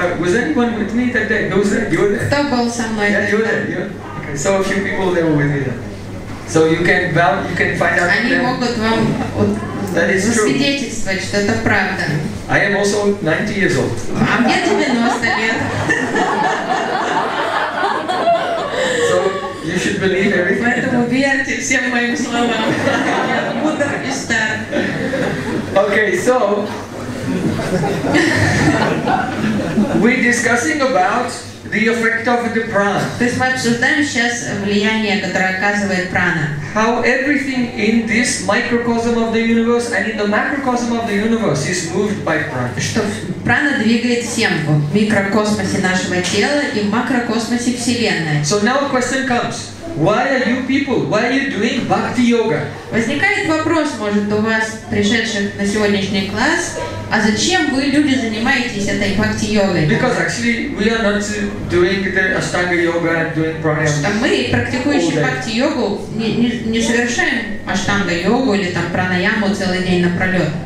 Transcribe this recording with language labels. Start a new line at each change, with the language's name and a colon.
English: Was anyone with me that day? Those that you're there.
Russian: Кто был со мной?
English: Yeah, you're there. Okay. So a few people there were with me. So you can find out.
Russian: Они могут вам засвидетельствовать, что это правда.
English: I am also 90 years old.
Russian: А мне 90 лет.
English: You should believe everything.
Russian: Поэтому верьте всем моим словам. Я мудр и стар.
English: Okay, so we're discussing about the effect of the prana.
Russian: То есть мы обсуждаем сейчас влияние, которое оказывает прана.
English: How everything in this microcosm of the universe and in the macrocosm of the universe is moved by prana.
Russian: Что прана двигает всем в микрокосмосе нашего тела и в макрокосмосе Вселенной.
English: So now a question comes. Why are you people? Why are you doing bhakti yoga?
Russian: Возникает вопрос, может, у вас, пришедших на сегодняшний класс, а зачем вы, люди, занимаетесь этой бхакти йогой?
English: Because actually we are not doing the ashtanga yoga and doing pranayama.
Russian: Мы, практикующие бхакти йогу, не совершаем аштанга йогу или там пранаяму целый день напролет.